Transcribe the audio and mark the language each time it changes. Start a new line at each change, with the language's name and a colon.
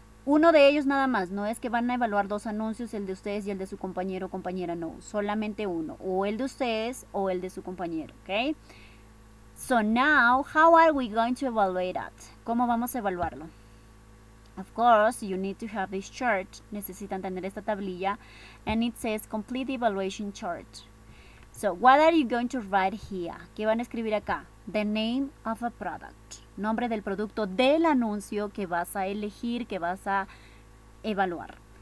Spanish: Uno de ellos nada más, no es que van a evaluar dos anuncios, el de ustedes y el de su compañero o compañera, no. Solamente uno, o el de ustedes o el de su compañero, ¿ok?
English: So now, how are we going to evaluate that?
Spanish: ¿Cómo vamos a evaluarlo?
English: Of course, you need to have this chart.
Spanish: Necesitan tener esta tablilla.
English: And it says complete evaluation chart. So, what are you going to write here?
Spanish: ¿Qué van a escribir acá?
English: The name of a product.
Spanish: Nombre del producto del anuncio que vas a elegir, que vas a evaluar.